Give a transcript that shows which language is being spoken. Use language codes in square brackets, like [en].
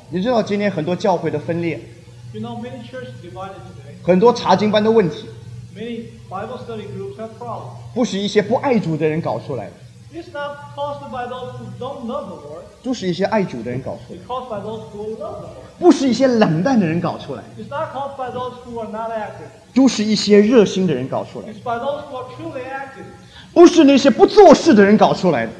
[zh] 你知道今天很多教会的分裂。 [en] You know, many churches divided today. [zh] 很多查经班的问题。 [en] Many Bible study groups have problems. [zh] 不是一些不爱主的人搞出来的。 [en] It's not caused by those who don't love the Lord. [zh] 就是一些爱主的人搞出来的。 [en] It's caused by those who love the Lord. [zh] 不是一些冷淡的人搞出来的。 [en] It's not caused by those who are not active. [zh] 都是一些热心的人搞出来的。 [en] It's by those who are truly active. [zh] 不是那些不做事的人搞出来的。